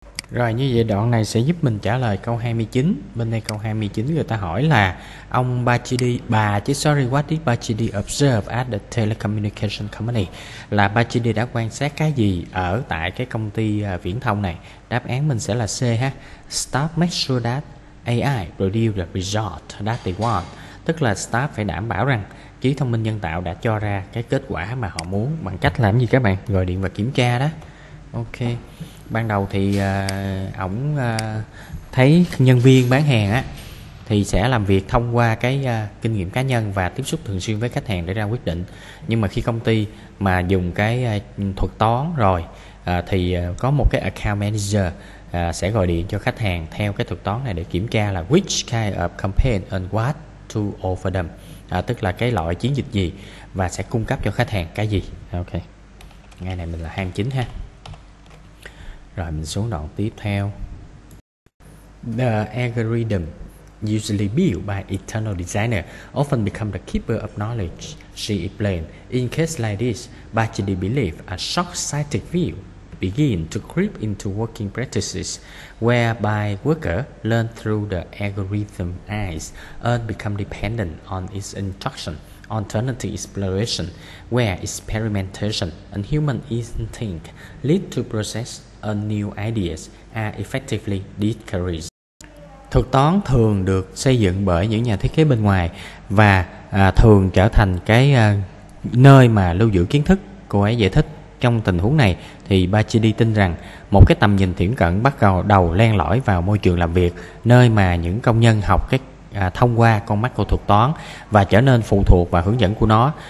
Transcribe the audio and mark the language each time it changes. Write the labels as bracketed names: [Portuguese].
[Vietnamese] Rồi như vậy đoạn này sẽ giúp mình trả lời câu 29. Bên đây câu 29 người ta hỏi là ông Bacchidi, [English] what did Bacchidi observe at the telecommunication company? [Vietnamese] Là Bacchidi đã quan sát cái gì ở tại cái công ty viễn thông này? Đáp án mình sẽ là C ha. [English] Staff make sure that AI produce the result that they want. [Vietnamese] Tức là staff phải đảm bảo rằng trí thông minh nhân tạo đã cho ra cái kết quả mà họ muốn bằng cách làm gì các bạn? Gọi điện và kiểm tra đó. Ok. Ban đầu thì ổng thấy nhân viên bán hàng á thì sẽ làm việc thông qua cái kinh nghiệm cá nhân và tiếp xúc thường xuyên với khách hàng để ra quyết định. Nhưng mà khi công ty mà dùng cái thuật toán rồi thì có một cái account manager sẽ gọi điện cho khách hàng theo cái thuật toán này để kiểm tra là [English] which kind of campaign and what to offer them. [Vietnamese] Tức là cái loại chiến dịch gì và sẽ cung cấp cho khách hàng cái gì. Ok. Ngày này mình là 29 ha. Rồi mình xuống đoạn tiếp theo. [English] The algorithm usually built by internal designer often become the keeper of knowledge, she explained. In case like this, Bacchidi believe a short-sighted view begin to creep into working practices whereby worker learn through the algorithm eyes and become dependent on its instruction. Alternative exploration where experimentation and human instinct lead to process and new ideas are effectively discouraged. [Vietnamese] Thuật toán thường được xây dựng bởi những nhà thiết kế bên ngoài và thường trở thành cái nơi mà lưu giữ kiến thức. Cô ấy giải thích trong tình huống này thì Bacchidi tin rằng một cái tầm nhìn tiệm cận bắt đầu len lỏi vào môi trường làm việc, nơi mà những công nhân học cái thông qua con mắt của thuật toán và trở nên phụ thuộc vào hướng dẫn của nó.